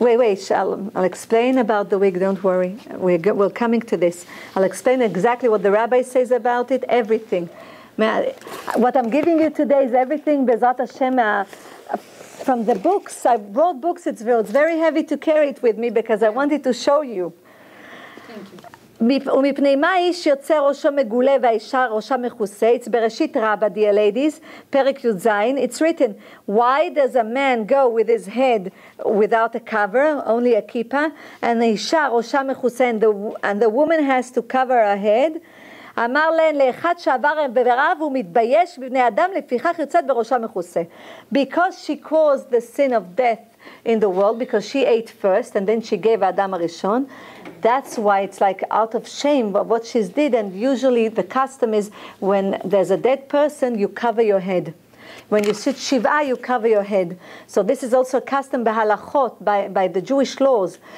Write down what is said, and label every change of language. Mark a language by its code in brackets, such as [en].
[en] Wait, Shalom. I'll explain about the wig. Don't worry. We're coming to this. I'll explain exactly what the rabbi says about it. Everything. What I'm giving you today is everything Bezat Hashem. From the books, I brought books. It's very heavy to carry it with me because I wanted to show you. [he] ומפני מה איש יוצא ראשו מגולה והאישה ראשה מכוסה? [en] It's [he] בראשית רבה, [en] dear ladies, [he] פרק י' זין. [en] It's written, why does a man go with his head without a cover, only a kippah, and the [he] אישה ראשה מכוסה, [en] and the woman has to cover her head? [he] אמר להן לאחד שעבר ברעב ומתבייש בבני אדם לפיכך יוצאת בראשה מכוסה. [en] Because she caused the sin of death in the world, because she ate first and then she gave Adam Arishon. That's why it's like out of shame of what she did. And usually the custom is when there's a dead person, you cover your head. When you sit Shiva, you cover your head. So this is also a custom behalachot by the Jewish laws.